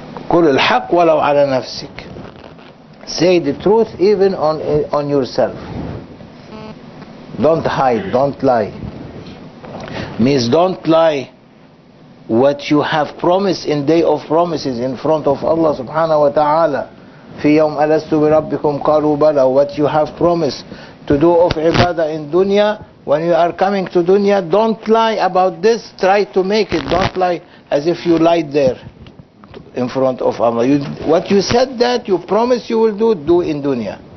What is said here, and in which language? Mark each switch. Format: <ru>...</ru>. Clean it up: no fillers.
<ar>قل الحق ولو على نفسك.</ar> <en>Say the truth even on yourself. Don't hide, don't lie. Means don't lie what you have promised in Day of Promises in front of Allah subhanahu wa ta'ala.</en> <ar>في يوم ألست بربكم قالوا بلى.</ar> <en>What you have promised to do of ibadah in dunya. When you are coming to dunya, don't lie about this. Try to make it. Don't lie as if you lied there in front of Allah. What you said that, you promise you will do in dunya.</en>